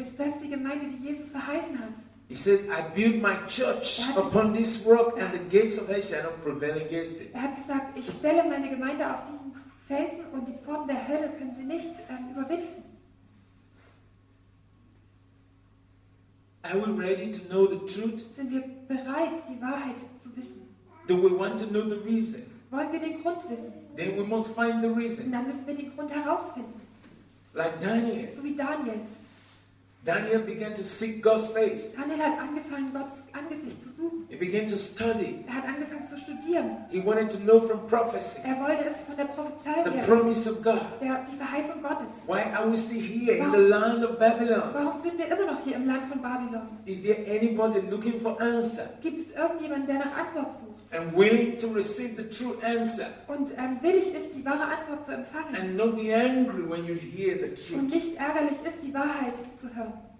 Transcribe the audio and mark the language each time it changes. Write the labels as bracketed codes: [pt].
[de] Ist das die Gemeinde, die Jesus verheißen hat? [en] He said, I build my church upon this rock and the gates of hell shall not prevail against it. [de] Er hat gesagt, ich stelle meine Gemeinde auf diesen Felsen und die Pforten der Hölle können sie nicht überwinden. [en] Are we ready to know the truth? [de] Sind wir bereit, die Wahrheit zu wissen? [en] Do we want to know the reason? [de] Wollen wir den Grund wissen? [en] Then we must find the reason. [de] Dann müssen wir den Grund herausfinden. [en] Like Daniel. [de] So wie Daniel. [en] Daniel began to seek God's face. [de] Daniel hat angefangen, Gottes Angesicht zu suchen. [en] He began to study. [de] Er hat angefangen zu studieren. [en] He wanted to know from prophecy. [de] Er wollte es von der Prophezeiung. [en] The promise of God. [de] Die Verheißung Gottes. [en] Why are we still here in the land of Babylon? [de] Warum sind wir immer noch hier im Land von Babylon? [en] Is there anybody looking for answer? [de] Gibt es irgendjemanden, der nach Antwort sucht? [en] And willing to receive the true answer. [de] Und willig ist, die wahre Antwort zu empfangen. [en] And not be angry when you hear the truth. [de] Und nicht ärgerlich ist, die Wahrheit zu hören.